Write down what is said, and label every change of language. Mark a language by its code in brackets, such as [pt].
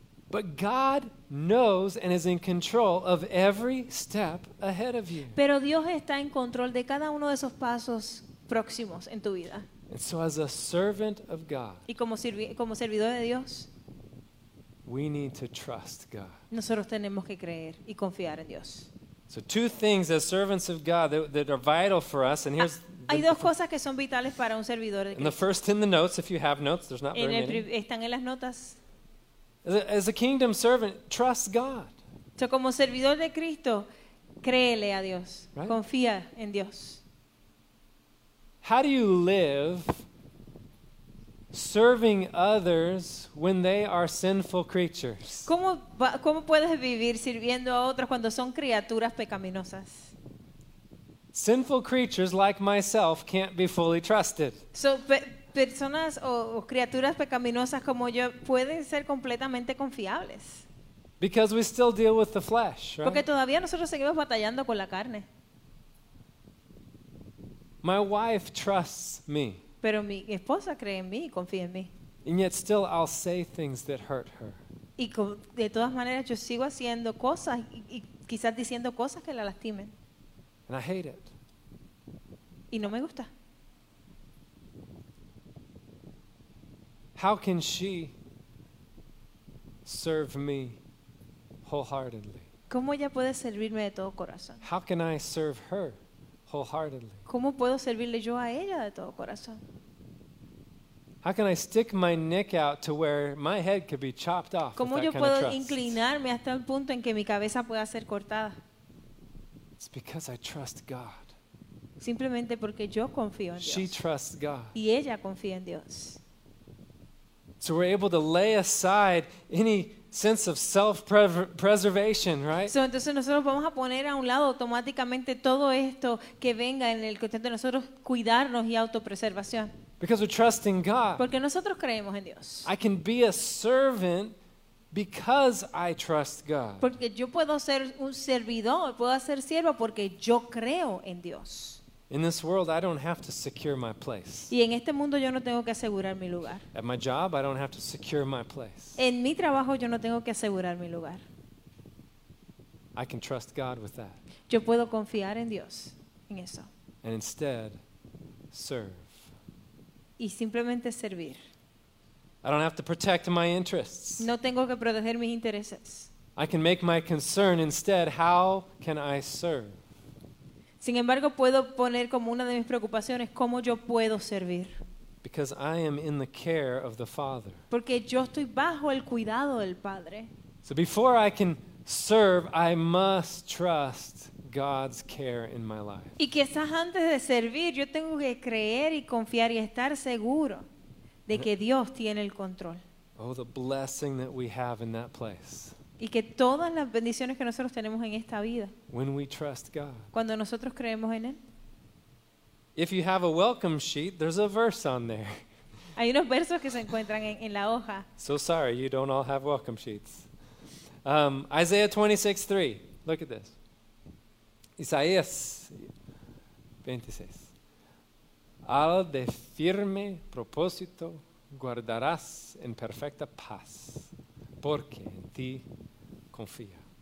[en] But God knows and is in control of every step ahead of you. [es] Pero Dios está en control de cada uno de esos pasos próximos en tu vida. [en] And so as a servant of God, [es] y como servidor de Dios, [en] we need to trust God. [es] Nosotros tenemos que creer y confiar en Dios. [en] So two things as servants of God that are vital for us, and here's [es] hay dos cosas que son vitales para un servidor de Cristo. [en] And the first in the notes, if you have notes, there's not very many. [es] Están en las notas. [en] As a kingdom servant, trust God. [es] So como servidor de Cristo, créele a Dios, right? Confía en Dios. [en] How do you live serving others when they are sinful creatures? [es] ¿Cómo puedes vivir sirviendo a otros cuando son criaturas pecaminosas? [en] Sinful creatures like myself can't be fully trusted. [es] So, personas o criaturas pecaminosas como yo pueden ser completamente confiables. [en] Because we still deal with the flesh, right? [es] Porque todavía nosotros seguimos batallando con la carne. [en] My wife trusts me. [es] Pero mi esposa cree en mí y confía en mí. [en] And yet still I'll say things that hurt her. [es] Y de todas maneras yo sigo haciendo cosas y quizás diciendo cosas que la lastimen. [en] And I hate it. [es] Y no me gusta. [en] How can she serve me wholeheartedly? [es] ¿Cómo ella puede servirme de todo corazón? [en] How can I serve her wholeheartedly? [es] ¿Cómo puedo servirle yo a ella de todo corazón? [en] How can I stick my neck out to where my head could be chopped off? [es] ¿Cómo yo puedo inclinarme hasta el punto en que mi cabeza pueda ser cortada? [en] It's because I trust God. [es] Simplemente porque yo confío en Dios. [en] She trusts God. [es] Y ella confía en Dios. [en] So we're able to lay aside any sense of self-preservation, right? [es] So entonces nosotros vamos a poner a un lado automáticamente todo esto que venga en el contexto de nosotros cuidarnos y autopreservación. [en] Because we're trusting God. [es] Porque nosotros creemos en Dios. [en] I can be a servant because I trust God. [es] Porque yo puedo ser un servidor, puedo ser siervo porque yo creo en Dios. [en] In this world, I don't have to secure my place. [es] Y en este mundo yo no tengo que asegurar mi lugar. [en] At my job, I don't have to secure my place. [es] En mi trabajo yo no tengo que asegurar mi lugar. [en] I can trust God with that. [es] Yo puedo confiar en Dios en eso. [en] And instead, serve. [es] Y simplemente servir. [en] I don't have to protect my interests. [es] No tengo que proteger mis intereses. [en] I can make my concern instead, how can I serve? [es] Sin embargo, puedo poner como una de mis preocupaciones cómo yo puedo servir. [en] Because I am in the care of the Father. [es] Porque yo estoy bajo el cuidado del Padre. [en] So before I can serve, I must trust God's care in my life. [es] Y quizás antes de servir, yo tengo que creer y confiar y estar seguro de que Dios tiene el control. [en] Oh, the blessing that we have in that place. [es] Y que todas las bendiciones que nosotros tenemos en esta vida. [en] When we trust God. [es] Cuando nosotros creemos en Él. [en] If you have a welcome sheet, there's a verse on there. [es] Hay unos versos que se encuentran en la hoja. [en] So sorry, you don't all have welcome sheets. Isaiah 26:3. Look at this. Isaías 26. [es] Al de firme propósito guardarás en perfecta paz. Porque en ti confía.